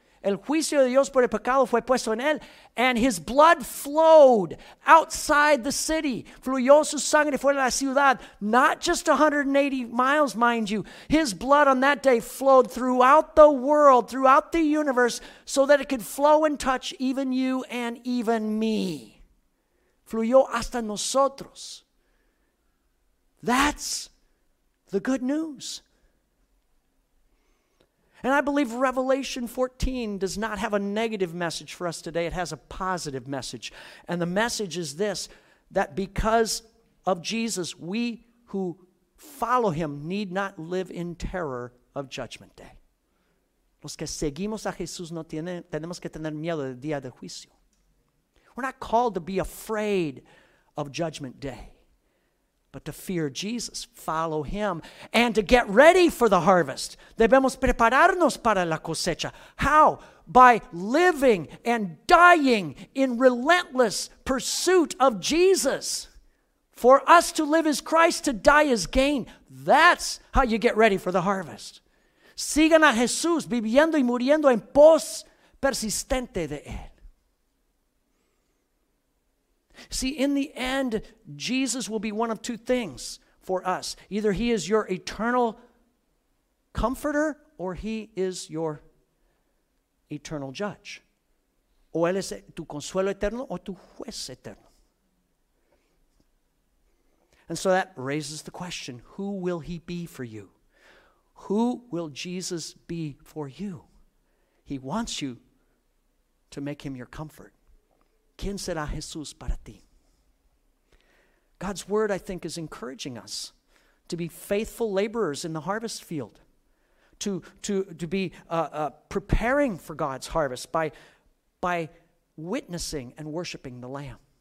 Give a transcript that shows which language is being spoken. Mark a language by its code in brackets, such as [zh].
[es] El juicio de Dios por el pecado fue puesto en él. [en] And his blood flowed outside the city. [es] Fluyó su sangre fuera de la ciudad. [en] Not just 180 miles, mind you. His blood on that day flowed throughout the world, throughout the universe, so that it could flow and touch even you and even me. [es] Fluyó hasta nosotros. [en] That's the good news. And I believe Revelation 14 does not have a negative message for us today. It has a positive message. And the message is this, that because of Jesus, we who follow him need not live in terror of Judgment Day. [es] Los que seguimos a Jesús no tenemos que tener miedo del día del juicio. [en] We're not called to be afraid of Judgment Day, but to fear Jesus, follow him, and to get ready for the harvest. [es] Debemos prepararnos para la cosecha. [en] How? By living and dying in relentless pursuit of Jesus. For us to live is Christ, to die is gain. That's how you get ready for the harvest. [es] Sigan a Jesús viviendo y muriendo en pos persistente de él. [en] See, in the end, Jesus will be one of two things for us. Either he is your eternal comforter, or he is your eternal judge. [es] O él es tu consuelo eterno, o tu juez eterno. [en] And so that raises the question, who will he be for you? Who will Jesus be for you? He wants you to make him your comfort. [es] ¿Quién será Jesús para ti? [en] God's word, I think, is encouraging us to be faithful laborers in the harvest field, to be preparing for God's harvest by witnessing and worshiping the Lamb.